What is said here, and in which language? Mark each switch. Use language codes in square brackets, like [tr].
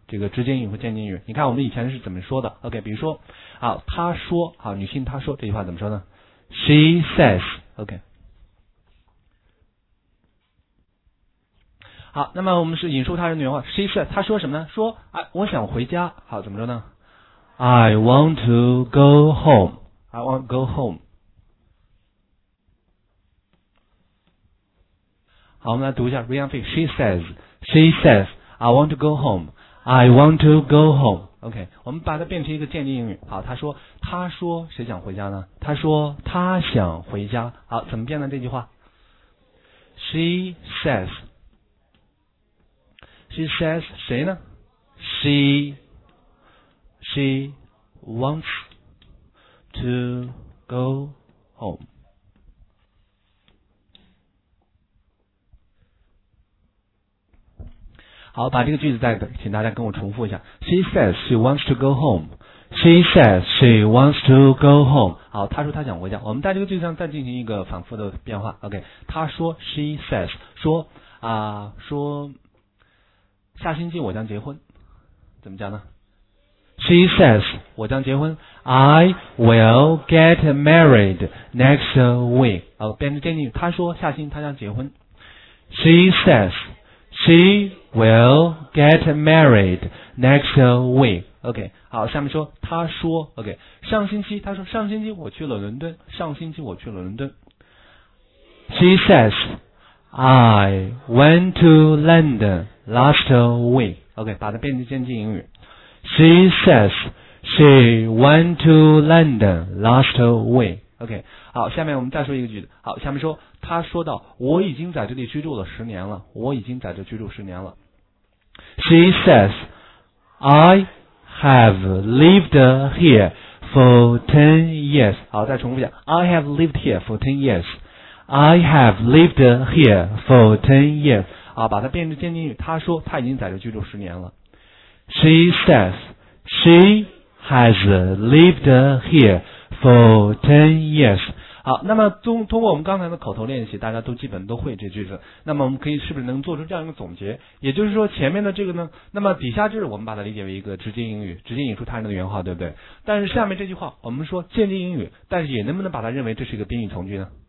[zh] 这个直接英语和间接英语。你看我们以前是怎么说的 ？OK， 比如说啊，他说啊，女性她说这句话怎么说呢 ？ [en] She says。 OK。 [zh] 好，那么我们是引述他人的原话。 [en] She said， [zh] 他说什么呢？说，哎，我想回家。好，怎么说呢 [en] ？I want to go home. I want to go home. [zh] 好，我们来读一下 Ryan Fee。 [en] She says， She says， I want to go home. I want to go home. [zh] OK， 我们把它变成一个间接英语。好，他说，他说谁想回家呢？他说他想回家。好，怎么变的这句话 ？ [en] She says。 She says [zh] 谁呢 [en] She wants to go home. [zh] 好，把这个句子再请大家跟我重复一下。 [en] She says she wants to go home. She says she wants to go home. [zh] 好，她说她想回家。我们在这个句子上再进行一个反复的变化。 OK， 她说 [en] She says [zh] 说啊、说。下星期我将结婚，怎么讲呢 ？ [en] She says [zh] 我将结婚 ， [en] I will get married next week。 [zh] 哦，变成间接语，她说下星期她将结婚。 [en] She says she will get married next week。 [zh] OK， 好，下面说，她说 OK， 上星期她说上星期我去了伦敦，上星期我去了伦敦。 [en] She says I went to London。 Last week. [zh] OK， 把它变成间接英语。 [en] She says she went to London last week. [zh] OK， 好，下面我们再说一个句子。好，下面说，他说到，我已经在这里居住了十年了。我已经在这居住十年了。 [en] She says I have lived here for 10 years. [zh] 好，再重复一下。 [en] I have lived here for 10 years. I have lived here for 10 years. [zh] 啊，把它变成间接语。他说他已经在这居住十年了。 [en] She says she has lived here for 10 years. [zh] 好，那么通过我们刚才的口头练习，大家都基本都会这句子。那么我们可以是不是能做出这样一个总结？也就是说前面的这个呢，那么底下就是我们把它理解为一个直接英语，直接引出他人的原话，对不对？但是下面这句话，我们说间接英语，但是也能不能把它认为这是一个宾语从句呢？